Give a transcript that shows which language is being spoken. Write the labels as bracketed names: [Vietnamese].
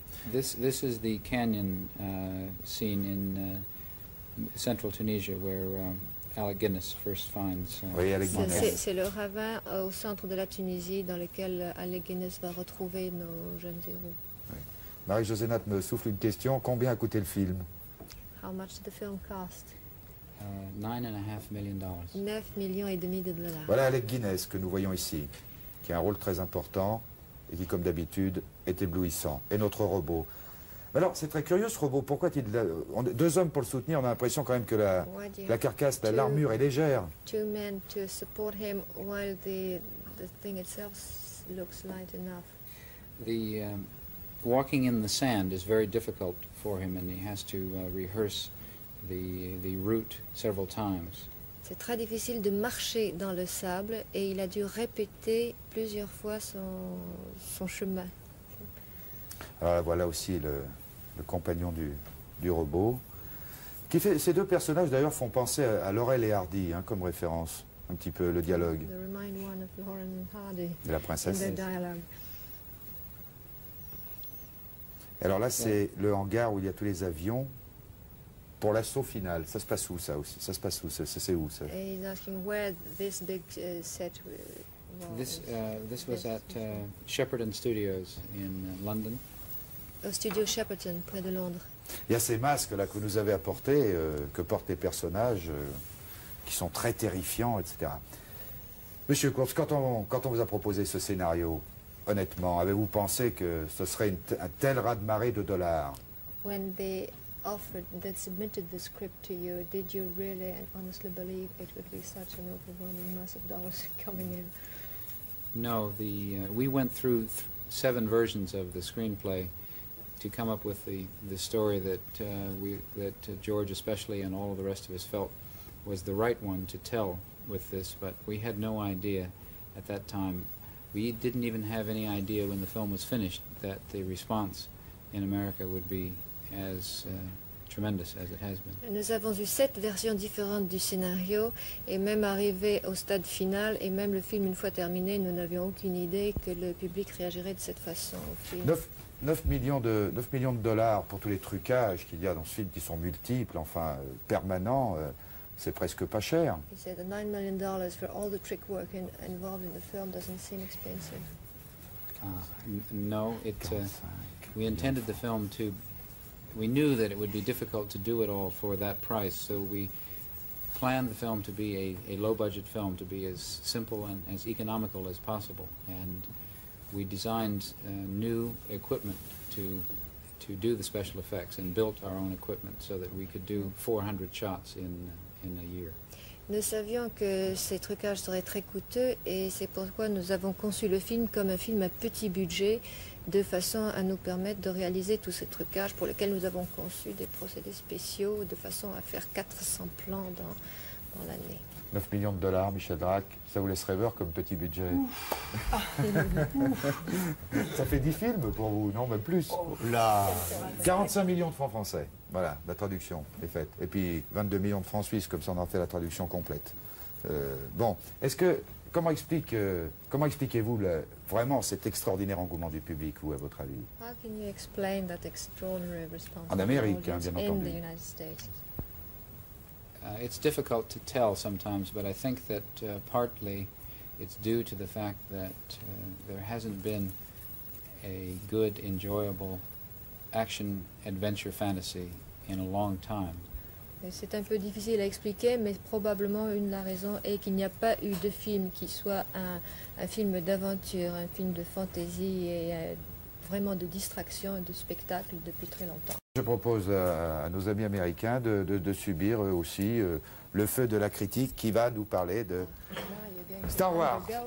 [English] This is the canyon scene in central Tunisia where Alec Guinness first finds. [French] Oui, Alec Guinness. C'est le ravin au centre de la Tunisie dans lequel Alec Guinness va retrouver nos jeunes héros. Marie-José Nat me souffle une question. Combien a coûté le film? [English] How much did the film cost? $9.5 million. [French] 9 millions et demi de dollars. Voilà Alec Guinness que nous voyons ici, qui a un rôle très important et qui, comme d'habitude, est éblouissant. Et notre robot. Mais alors, c'est très curieux ce robot. Pourquoi a-t-il deux hommes pour le soutenir? On a l'impression quand même que la carcasse, l'armure est légère. [English] Two men to support him while the thing itself looks light enough. Walking in the sand is very difficult for him, and he has to rehearse the route several times. [French] C'est très difficile de marcher dans le sable, et il a dû répéter plusieurs fois son chemin. Alors voilà aussi le compagnon du robot. Qui fait, ces deux personnages d'ailleurs font penser à Laurel et Hardy, hein, comme référence, un petit peu le dialogue. [English] They remind one of Laurel and Hardy. [French] Et la princesse. [English] Yes. [French] Alors là, c'est le hangar où il y a tous les avions pour l'assaut final. Ça se passe où, ça aussi? Ça se passe où? Ça, c'est où, ça? Et il demande où est ce [English] big set? This was at Shepperton Studios in London. [French] Au studio Shepperton, près de Londres. Il y a ces masques là que vous nous avez apportés, que portent les personnages, qui sont très terrifiants, etc. Monsieur Kurtz, quand on vous a proposé ce scénario, honnêtement, avez-vous pensé que ce serait un tel raz-de-marée de dollars? [English] When they offered, they submitted the script to you, did you really and honestly believe it would be such an overwhelming mass of dollars coming in? No, we went through seven versions of the screenplay to come up with the story that George especially and all of the rest of us felt was the right one to tell with this, but we had no idea at that time. We didn't even have any idea when the film was finished that the response in America would be as tremendous as it has been. [French] Nous avons eu sept versions différentes du scénario et même arrivé au stade final et même le film une fois terminé, nous n'avions aucune idée que le public réagirait de cette façon au film. 9 millions de dollars pour tous les trucages qu'il y a dans ce film qui sont multiples, enfin permanents. C'est presque pas cher. [English] He said the $9 million for all the trick work involved in the film doesn't seem expensive. No, we intended the film to. We knew that it would be difficult to do it all for that price, so we planned the film to be a low budget film, to be as simple and as economical as possible, and we designed new equipment to do the special effects and built our own equipment so that we could do 400 shots in a year. [French] Nous savions que ces trucages seraient très coûteux et c'est pourquoi nous avons conçu le film comme un film à petit budget de façon à nous permettre de réaliser tous ces trucages pour lesquels nous avons conçu des procédés spéciaux de façon à faire 400 plans dans l'année. 9 millions de dollars, Michel Drac, ça vous laisse rêveur comme petit budget. Ça fait 10 films pour vous, non, même plus. Là, 45 millions de francs français. Voilà, la traduction est faite. Et puis 22 millions de francs suisses, comme ça on en fait la traduction complète. Bon, est-ce que, comment expliquez-vous vraiment cet extraordinaire engouement du public, vous, à votre avis? [English] How can you explain that extraordinary response? [French] En Amérique, hein, bien entendu. [English] In the United States. It's difficult to tell sometimes, but I think that partly it's due to the fact that there hasn't been a good, enjoyable action adventure fantasy in a long time. [French] C'est un peu difficile à expliquer, mais probablement une de la raison est qu'il n'y a pas eu de film qui soit un film d'aventure, un film de fantasy et vraiment de distraction et de spectacle depuis très longtemps. Je propose à nos amis américains de subir eux aussi le feu de la critique qui va nous parler de Star Wars.